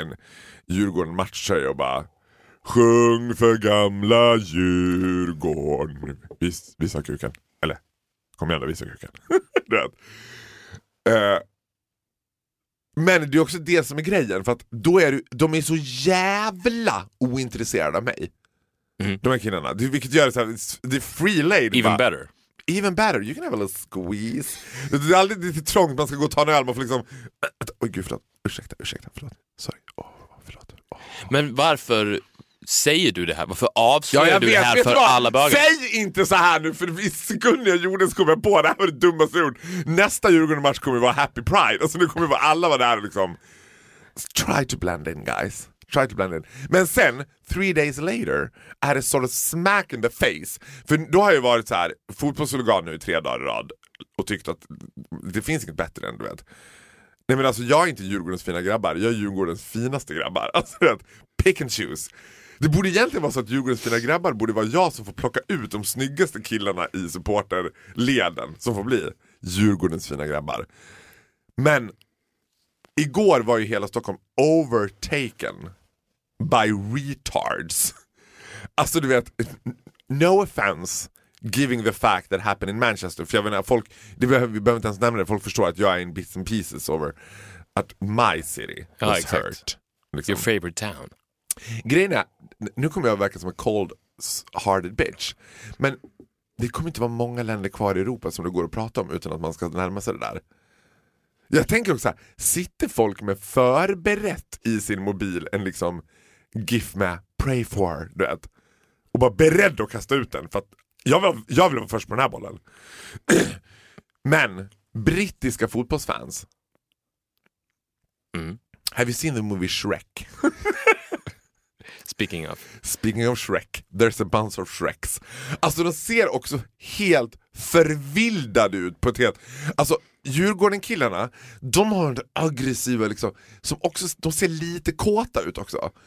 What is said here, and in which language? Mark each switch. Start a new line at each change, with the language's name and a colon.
Swedish: En Djurgården matchtröja och bara sjung för gamla Djurgården. Visa kuken. Eller, kom igen då, visa kuken. Men det är också det som är grejen. För att då är du, de är så jävla ointresserade av mig. Mm. De här killarna. Vilket gör det såhär, det är freelade.
English: Even bara, better. Even better, you can have a little squeeze.
Swedish: Det är alltid lite trångt, man ska gå och ta en öl. Man får liksom, oj gud förlåt, ursäkta, förlåt.
English: Sorry, oh, förlåt. Oh.
Swedish: Men varför säger du det här? Varför avslöjar ja, du vet, det här för vad? Alla bögar? Säg inte så här nu, för i sekunden jag gjorde så kommer jag på det här var det dummaste ord. Nästa Djurgården match kommer vara Happy Pride. Alltså nu kommer vara alla vara där liksom.
English: Try to blend in guys. Try to blend in. Men sen, 3 days later, I had a sort of smack in the face.
Swedish: För då har jag varit så här, fotbollshuligan nu i 3 dagar i rad. Och tyckt att det finns inget bättre än, du vet. Nej men alltså, jag är inte Djurgårdens fina grabbar. Jag är Djurgårdens finaste grabbar. Alltså, du vet,
English: pick and choose.
Swedish: Det borde egentligen vara så att Djurgårdens fina grabbar borde vara jag som får plocka ut de snyggaste killarna i supporterleden. Som får bli Djurgårdens fina grabbar. Men... igår var ju hela Stockholm
English: overtaken by retards.
Swedish: Alltså du vet,
English: no offense giving the fact that happened in Manchester.
Swedish: För jag menar, folk, det behöver, vi behöver inte ens nämna det. Folk förstår att jag är
English: in bits and pieces over
Swedish: att
English: my city was exactly. hurt. Liksom. Your favorite town.
Swedish: Grejen är, nu kommer jag att verka som en
English: cold-hearted bitch.
Swedish: Men det kommer inte vara många länder kvar i Europa som det går att prata om utan att man ska närma sig det där. Jag tänker också här, sitter folk med förberett i sin mobil en liksom gif med pray for, du vet. Och bara beredd att kasta ut den, för att jag vill vara först på den här bollen. Men, brittiska fotbollsfans. Mm.
English: Have you seen the movie Shrek? Speaking of Shrek, there's a bunch of Shreks.
Swedish: Alltså de ser också helt förvildade ut på ett helt, alltså Djurgården killarna, de har en aggressiva liksom, som också, de ser lite kåta ut också.